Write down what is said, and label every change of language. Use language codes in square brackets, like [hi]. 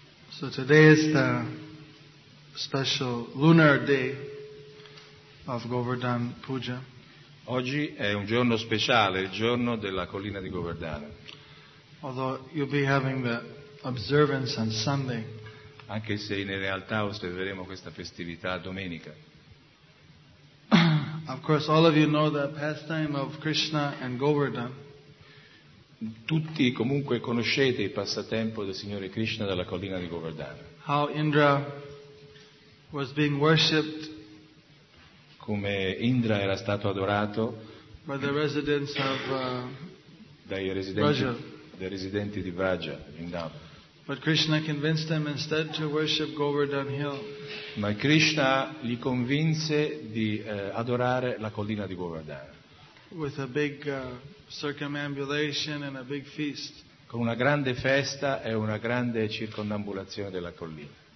[en] So today is the special lunar day of Govardhan Puja. [it] Oggi è un giorno speciale, il giorno della collina di Govardhana. [en] Although you'll be having the observance on Sunday. [it] Anche se in realtà osserveremo questa festività domenica. [en] Of course, all of you know the pastime of Krishna and Govardhan. [it] Tutti comunque conoscete il passatempo del Signore Krishna dalla collina di Govardhana. [en] How Indra was being worshipped, [it] come Indra era stato adorato, [en] by the residents of [it] dai residenti di Vraja, Vrindavan. [en] But Krishna convinced them instead to worship Govardhan Hill. [it] Ma Krishna li convinse di adorare la collina di Govardhan. [en] With a big circumambulation and a big feast. [it] Con una grande festa e una grande circondambulazione della collina.